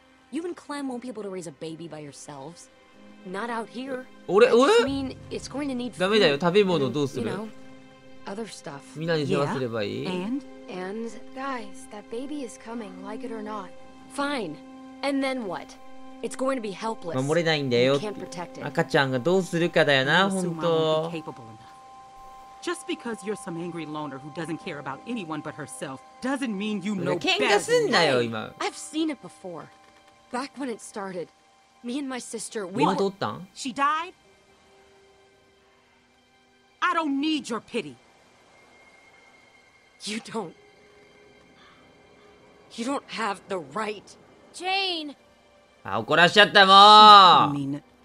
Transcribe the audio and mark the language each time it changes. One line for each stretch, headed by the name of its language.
English: You and Clem won't be able to raise a baby by yourselves. Not out here. I just mean, it's going to need food. You know, other stuff. Yeah? And? Guys, that baby is coming, like it or not. Fine. And then what? It's going to be helpless.
Japanese: 守れないんだよ。赤ちゃんがどうするかだよな、本当。
English: Just because you're some angry loner who doesn't care about anyone but herself doesn't mean you know better.
Japanese: 喧嘩すんなよ、今。
English: I've seen it before. Back when it started, me and my sister, we were.
Japanese: 今どうったん？
English: She died? I don't need your pity. You don't. You don't have the right, Jane.
Japanese: あ、怒らしちゃったもん。